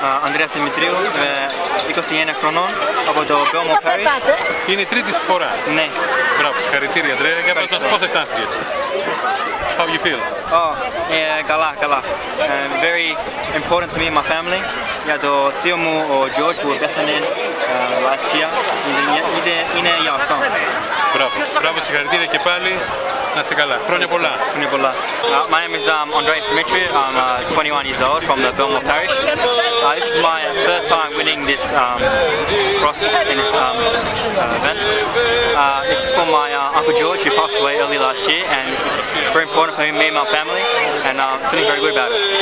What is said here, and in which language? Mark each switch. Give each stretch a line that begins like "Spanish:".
Greek: Andreas Dimitriou, 29 χρονών, από το Belmo Parish. Είναι η τρίτη φορά. Ναι. Μπράβο, συγχαρητήρια, Andreas. Για πες μας, πώς αισθάνεσαι?
English: How you feel?
Greek: Καλά, καλά.
English: Very important to me and my family.
Greek: Για το θείο μου, ο George, που πέθανε
English: last year.
Greek: Είναι για αυτό. Μπράβο. Μπράβο. Μπράβο, συγχαρητήρια και πάλι. Να είσαι καλά. Χρόνια πολλά. Χρόνια πολλά.
English: My name is Andreas Dimitri. I'm 21 years old from the Belmore Parish. This is my third time winning this cross in this event. This is for my Uncle George, who passed away early last year, and this is very important for me and my family, and I'm feeling very good about it.